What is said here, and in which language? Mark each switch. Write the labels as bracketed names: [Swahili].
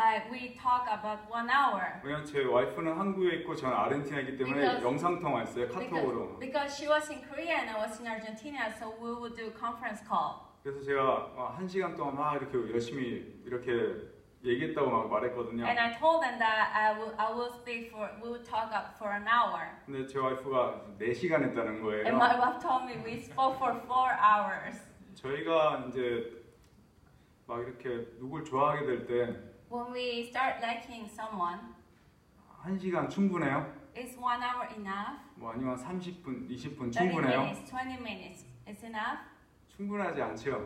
[English] We talk about 1 hour. [Korean] 왜냐면 제 와이프는 한국에 있고 저는 아르헨티나이기 때문에 영상 통화했어요 카톡으로. [English] Because she was in Korea and I was in Argentina, so we would do conference call. [Korean] 그래서 제가 한 시간 동안 막 이렇게 열심히 이렇게 얘기했다고 막 말했거든요. [English] And I told them that I will speak for we would talk up for an hour. [Korean] 근데 제 와이프가 네 시간 했다는 거예요. [English] And my wife told me we spoke for 4 hours. [Korean] 저희가 이제 막 이렇게 누굴 좋아하게 될 때. [English] When we start liking someone, [Korean] 한 시간 충분해요? [English] Is 1 hour enough? [Korean] 뭐 아니면 30분, 20분 충분해요? [English] 20 minutes is enough? [Korean] 충분하지 않죠?